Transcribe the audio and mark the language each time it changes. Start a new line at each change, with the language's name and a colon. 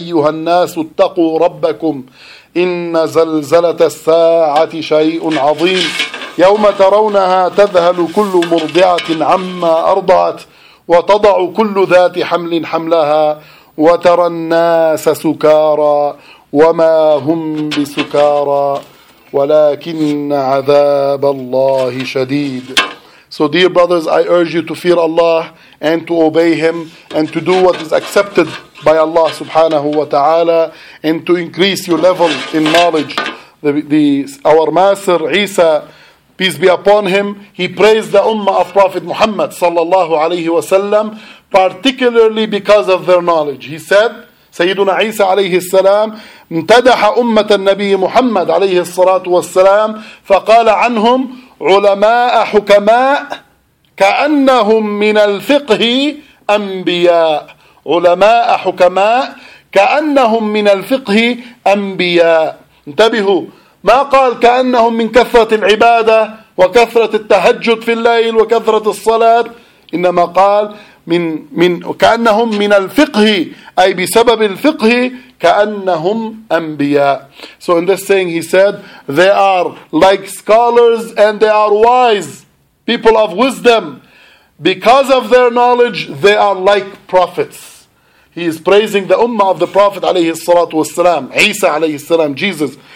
Arabic: الناس اتقوا ربكم إن زلزلة الساعة شيء عظيم يوم ترونها تذهل كل مرضعة عما أرضعت وتضع كل ذات حمل حملها وترى الناس سكارى وما هم بسكارى ولكن عذاب الله شديد.
English: So dear brothers, I urge you to fear Allah and to obey Him and to do what is accepted by Allah subhanahu wa ta'ala and to increase your level in knowledge. Our master Isa, peace be upon him, he praised the ummah of Prophet Muhammad sallallahu alayhi wa sallam particularly because of their knowledge. He said, Sayyiduna Isa alayhi salam
Arabic: امتدح أمة النبي محمد عليه الصلاة والسلام فقال عنهم علماء حكماء كأنهم من الفقه أنبياء. علماء حكماء كأنهم من الفقه أنبياء. انتبهوا, ما قال كأنهم من كثرة العبادة وكثرة التهجد في الليل وكثرة الصلاة, إنما قال من كأنهم من الفقه, أي بسبب الفقه كأنهم أنبياء.
English: So in this saying he said, they are like scholars and they are wise, people of wisdom. Because of their knowledge, they are like prophets. He is praising the ummah of the Prophet
Arabic: عليه الصلاة والسلام,
English: Isa عليه السلام, Jesus.